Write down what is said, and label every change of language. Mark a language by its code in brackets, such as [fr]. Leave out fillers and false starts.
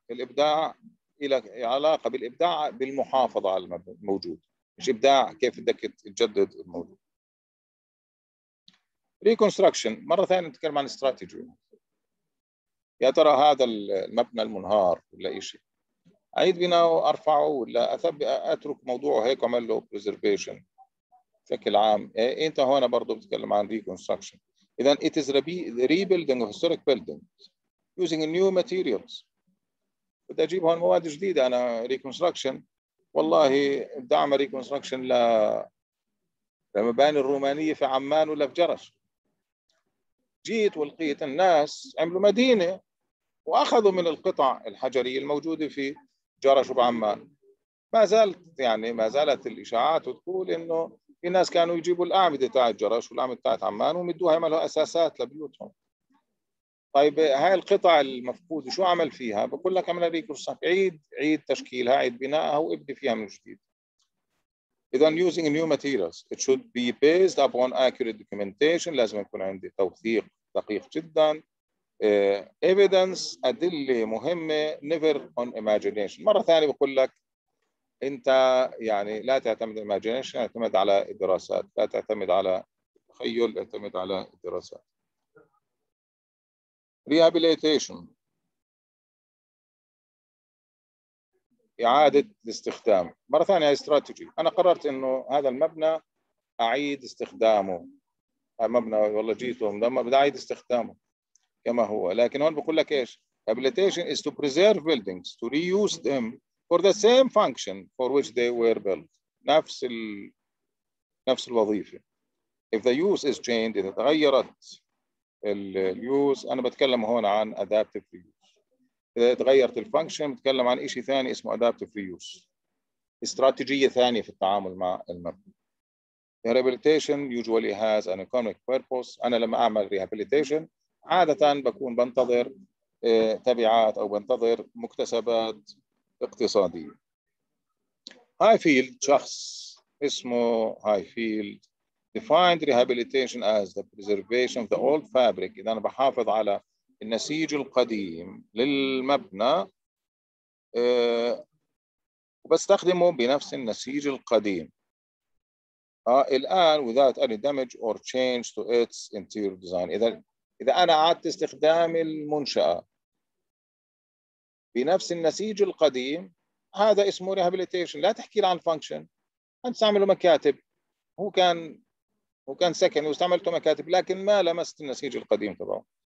[ar] الابداع إلى علاقة بالإبداع بالمحافظة على الموجود، مش إبداع كيف بدك تجدد الموجود. Reconstruction، مرة ثانية نتكلم عن استراتيجي، يا ترى هذا المبنى المنهار ولا إشي أعيد بناءه أرفعه ولا أترك موضوعه هيك وعمل له preservation. بشكل عام أنت هنا برضو بتكلم عن [en] Reconstruction، إذا it is rebuilding of historic buildings using new materials. [ar] بدي أجيب هون مواد جديدة أنا ريكونستركشن، والله دعم ريكونستركشن لمباني الرومانية في عمان ولا في جرش، جيت ولقيت الناس عملوا مدينة وأخذوا من القطع الحجرية الموجودة في جرش وبعمان. ما زالت الإشاعات تقول إنه في ناس كانوا يجيبوا الأعمدة تاع جرش والأعمدة تاع عمان ومدوها يعملوا أساسات لبيوتهم. طيب هاي القطع المفقودة شو عمل فيها؟ بقول لك عمل ريكونستراكشن، عيد تشكيلها، عيد بنائها وابني فيها من جديد. [en] إذا using new materials it should be based upon accurate documentation، [ar] لازم يكون عندي توثيق دقيق جدا. [en] Evidence، [ar] أدلة مهمة، [en] never on imagination. [ar] مرة ثانية بقول لك أنت يعني لا تعتمد imagination، اعتمد على الدراسات، لا تعتمد على تخيل، اعتمد على الدراسات. Rehabilitation، إعادة الاستخدام. مرة ثانية استراتيجي، أنا قررت إنه هذا المبنى أعيد استخدامه، مبنى والله جيته مدمر بدي أعيد استخدامه كما هو، لكن هون بقول لك إيش؟ [en] Rehabilitation is to preserve buildings to reuse them for the same function for which they were built. [ar] نفس الوظيفة. [en] If the use is changed, [ar] إذا تغيرت ال [en] use, [ar] أنا بتكلم هون عن [en] adaptive reuse. [ar] إذا تغيرت ال function, بتكلم عن إشي ثاني اسمه adaptive reuse. استراتيجية ثانية في التعامل مع المبنى. [en] Rehabilitation usually has an economic purpose. [ar] أنا لما أعمل rehabilitation عادة بكون بنتظر تبعات أو بنتظر مكتسبات اقتصادية. [en] Highfield, [ar] شخص اسمه [en] Highfield defined rehabilitation as the preservation of the old fabric. [ar] إذا أنا بحافظ على النسيج القديم للمبنى وبستخدمه بنفس النسيج القديم. [en] الآن without any damage or change to its interior design. [ar] إذا أنا عادت استخدام المنشأة بنفس النسيج القديم هذا اسمه rehabilitation. لا تحكي عن function. أنت استعمله مكاتب. هو كان سكني واستعملته مكاتب لكن ما لمست النسيج القديم تبعه.